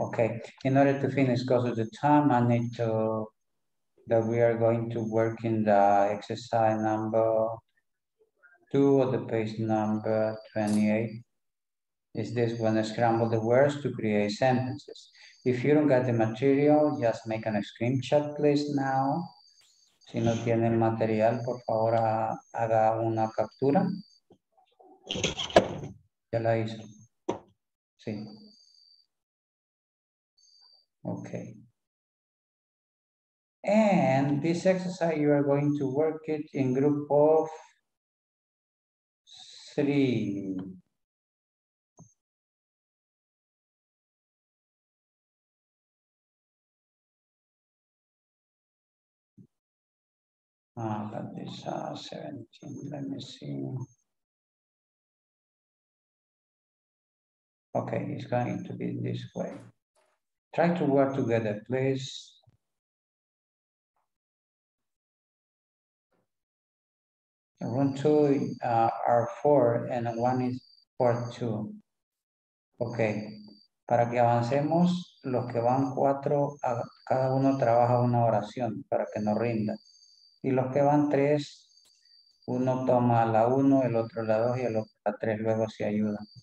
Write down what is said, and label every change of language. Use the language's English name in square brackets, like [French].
[English] Okay, in order to finish because of the time, I need to that we are going to work in the exercise number 2 or the page number 28. Is this when I scramble the words to create sentences. If you don't get the material, just make a screenshot, please, now. [Spanish] Si no tienen material, por favor, haga una captura. Ya la hizo. Sí. [English] Okay. And this exercise, you are going to work it in group of 3. That is 17. Let me see. Okay, it's going to be this way. Try to work together, please. Room two are four and one is for two. Okay. [Spanish] Para que avancemos, los que van cuatro, cada uno trabaja una oración para que no rinda. Y los que van tres, uno toma la uno, el otro la dos y el otro la tres, luego se ayuda.